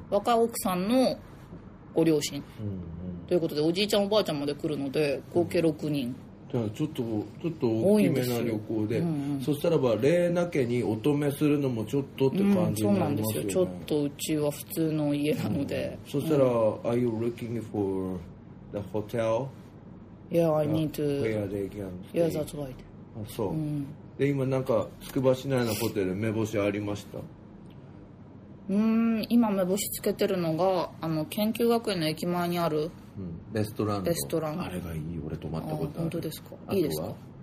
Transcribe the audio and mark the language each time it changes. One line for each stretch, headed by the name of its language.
Japanese: 若い奥さんのご両親、うんうん、ということでおじいちゃんおばあちゃんまで来るので合計6人、うん。じゃあちょっと大きめな旅行 で、うんうん、そしたらば麗奈家に乙女するのもちょっとって感じになりますよね、うん、そうなんですよ、ちょっとうちは普通の家なので、うん、そしたら、うん、
English: Are you looking for the hotel? Yeah, I need to where they can stay. Yeah, that's right.
Japanese: あ、そう、うん、で今なんか筑波市内のホテル目星ありました。今目星つけてるのが、あの研究学園の駅前にあるレストラン、レストラン、あれがいい。俺泊まったことある。本当ですか。いいですか。